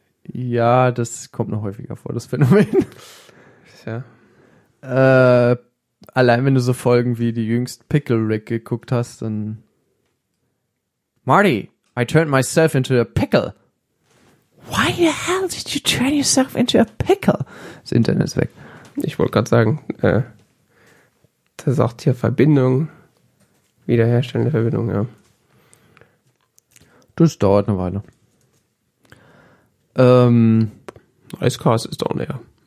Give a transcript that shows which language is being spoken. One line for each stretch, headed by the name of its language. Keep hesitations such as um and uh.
German: Ja, das kommt noch häufiger vor, das Phänomen. Ja. äh, allein wenn du so Folgen wie die jüngst Pickle Rick geguckt hast, dann Marty,
English: I turned myself into a pickle. Why the hell did you turn yourself into a pickle?
German: Das Internet ist weg. Ich wollte gerade sagen, äh, das sagt hier Verbindung, wiederherstellende Verbindung, ja. Das dauert eine Weile. Ähm, Icecast ist auch näher.